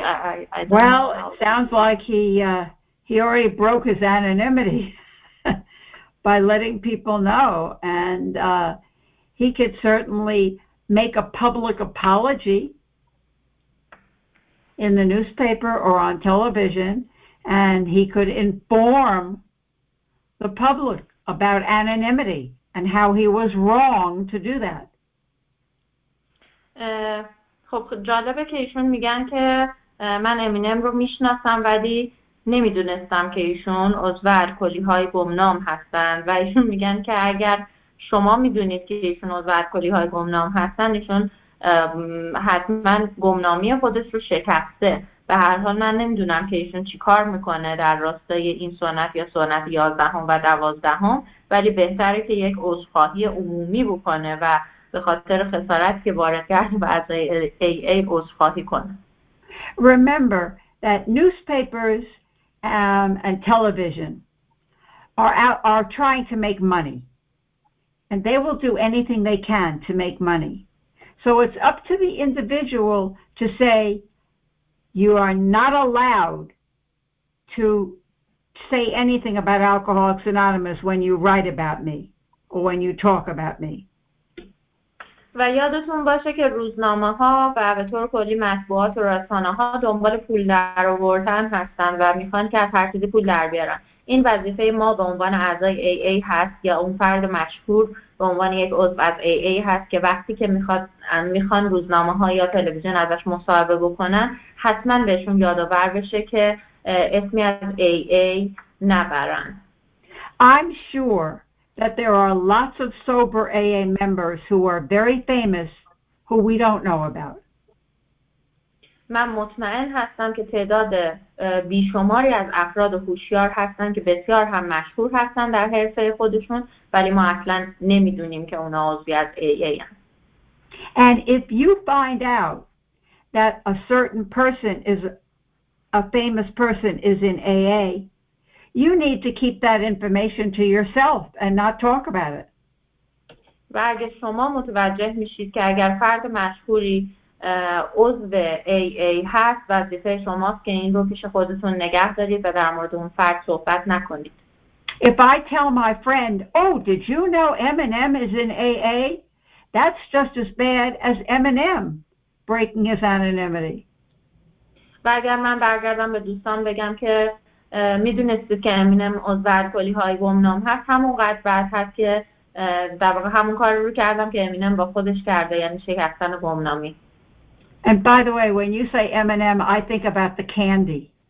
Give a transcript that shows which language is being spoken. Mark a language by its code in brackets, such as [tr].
[en] It sounds like he already broke his anonymity by letting people know, and he could certainly make a public apology in the newspaper or on television, and he could inform the public about anonymity and how he was wrong to do that. [fa] خب جالبه که ایشون میگن که من امینم رو میشناسم ولی نمیدونستم که ایشون عضو الکلی های گمنام هستند، و ایشون میگن که اگر شما میدونید که ایشون عضو الکلی های گمنام هستند، ایشون حتما گمنامی خودش رو شکسته. به هر حال من نمیدونم که ایشون چی کار میکنه در راستای این سنت یا سنت 11 و 12، ولی بهتره که یک عذرخواهی عمومی بکنه و به خاطر خسارت که وارد کرد و از AA عذرخواهی کنه. [en] Remember that newspapers and television are trying to make money, and they will do anything they can to make money. So it's up to the individual to say, you are not allowed to say anything about Alcoholics Anonymous when you write about me or when you talk about me. [fa] و یادتون باشه که روزنامه ها و به طور کلی مطبوعات و رسانه ها دنبال پول در آوردن هستن و میخوان که از هر چیزی پول در بیارن. این وظیفه ما به عنوان اعضای AA هست، یا اون فرد مشهور به عنوان یک عضو از AA هست، که وقتی که میخوان روزنامه ها یا تلویزیون ازش مصاحبه بکنن، حتما بهشون یادآور بشه که اسمی از AA نبرن. [en] I'm sure that there are lots of sober AA members who are very famous who we don't know about. [fa] من مطمئن هستم که تعداد بیشماری از افراد هوشیار هستن که بسیار هم مشهور هستن در حرفه خودشون، ولی ما اصلا نمیدونیم که اونا عضوی از AA هستن. [en] And if you find out that a certain person is a famous person is in AA, you need to keep that information to yourself and not talk about it. [fa] و اگه شما متوجه میشید که اگر فرد مشهوری عضو AA هست، وظیفه شماست که این رو پیش خودتون نگه دارید و در مورد اون فرد صحبت نکنید. [en] If I tell my friend, oh, did you know Eminem is in AA? That's just as bad as Eminem breaking his anonymity. [fa] و اگر من برگردم به دوستان بگم که میدونستید که امینم عضو الکلی های گمنام هست، همونقدر بد هست که در واقع همون کار رو کردم که امینم با خودش کرده، یعنی شکستن گمنامی. [en] And by the way, when you say M&M, I think about the candy.